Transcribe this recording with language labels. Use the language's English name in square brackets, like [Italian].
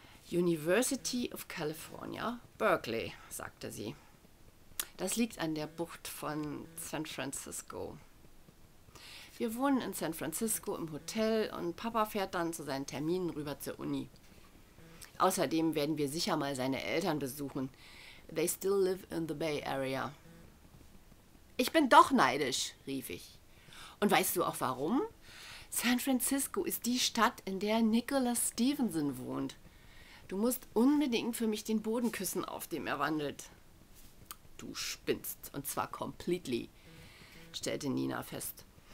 [German] University of California, Berkeley, sagte sie. Das liegt an der Bucht von San Francisco. Wir wohnen in San Francisco im Hotel und Papa fährt dann zu seinen Terminen rüber zur Uni. Außerdem werden wir sicher mal seine Eltern besuchen. [English] They still live in the Bay Area. [German] Ich bin doch neidisch, rief ich. Und weißt du auch warum? San Francisco ist die Stadt, in der Nicholas Stevenson wohnt. Du musst unbedingt für mich den Boden küssen, auf dem er wandelt. Du spinnst, und zwar [English] completely, [German] stellte Nina fest.